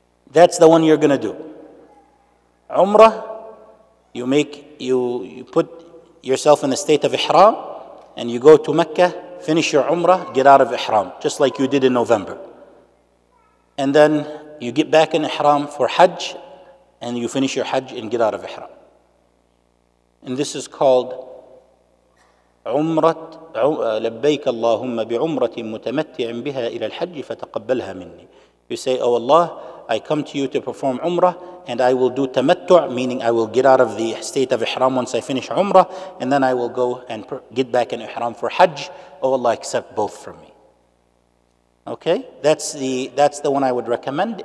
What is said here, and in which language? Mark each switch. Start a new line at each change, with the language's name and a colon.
English: That's the one you're gonna do. Umrah, you put yourself in the state of ihram, and you go to Mecca, finish your umrah, get out of ihram, just like you did in November. And then you get back in ihram for Hajj, and you finish your Hajj and get out of ihram. And this is called
Arabic: عمرت لبيك اللهم بعمرة متمتع بها إلى الحج فتقبلها مني.
English: You say, oh Allah, I come to you to perform umrah, and I will do tamattu', meaning I will get out of the state of ihram once I finish umrah, and then I will go and get back in ihram for hajj. Oh Allah, accept both from me. Okay, that's the one I would recommend.